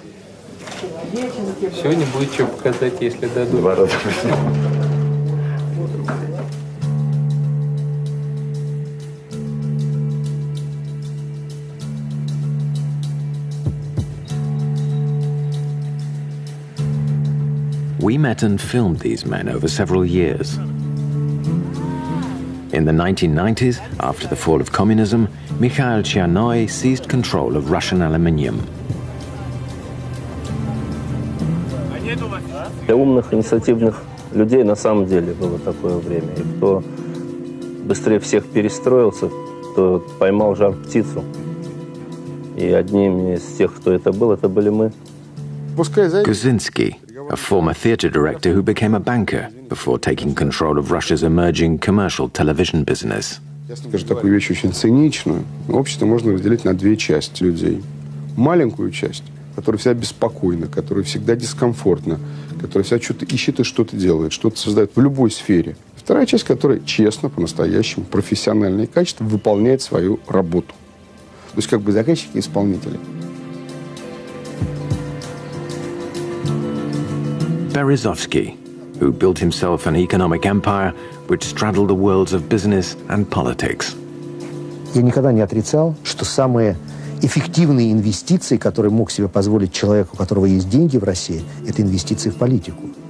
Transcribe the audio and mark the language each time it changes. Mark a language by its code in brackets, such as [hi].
[en] We met and filmed these men over several years. In the 1990s, after the fall of communism, Mikhail Tsarnaev seized control of Russian aluminium. [ru] Для умных, инициативных людей на самом деле было такое время. И кто быстрее всех перестроился, то поймал жар птицу. И одним из тех, кто это были мы. [en] Кузинский, a former theater director who became a banker before taking control of Russia's emerging commercial television business. [ru] Такую вещь очень циничную. Общество можно разделить на две части людей. Маленькую часть, которая вся беспокойна, которая всегда дискомфортна, которая вся что-то ищет и что-то делает, что-то создает в любой сфере. Вторая часть, которая честно, по-настоящему, профессионально и качественно выполняет свою работу. То есть как бы заказчики и исполнители. [en] Berezovsky, who built himself an economic empire which straddled the worlds of business and politics. [ru] Я никогда не отрицал, что самые эффективные инвестиции, которые мог себе позволить человек, у которого есть деньги в России, это инвестиции в политику.